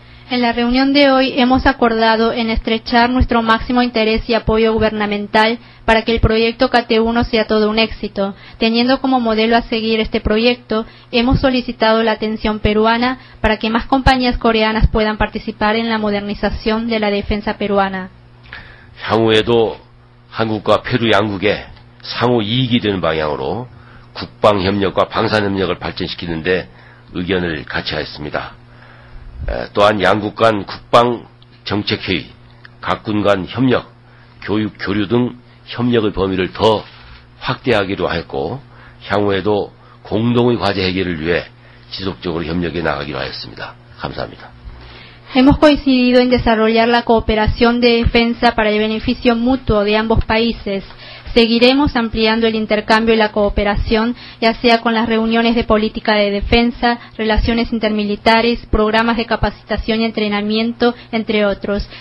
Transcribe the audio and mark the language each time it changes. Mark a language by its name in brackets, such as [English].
[Spanish] En la reunión de hoy hemos acordado en estrechar nuestro máximo interés y apoyo gubernamental para que el proyecto KT1 sea todo un éxito. Teniendo como modelo a seguir este proyecto, hemos solicitado la atención peruana para que más compañías coreanas puedan participar en la modernización de la defensa peruana. [Korean] 향후에도 한국과 페루 양국의 상호 이익이 되는 방향으로 국방 협력과 방산 협력을 발전시키는데 의견을 같이 하였습니다. 또한 양국 간 국방 정책회의, 각군 간 협력, 교육 교류 등 협력의 범위를 더 확대하기로 하였고 향후에도 공동의 과제 해결을 위해 지속적으로 협력해 나가기로 하였습니다. 감사합니다. [Spanish] Hemos coincidido en desarrollar la cooperación de defensa para el beneficio mutuo de ambos países. Seguiremos ampliando el intercambio y la cooperación, ya sea con las reuniones de política de defensa, relaciones intermilitares, programas de capacitación y entrenamiento, entre otros.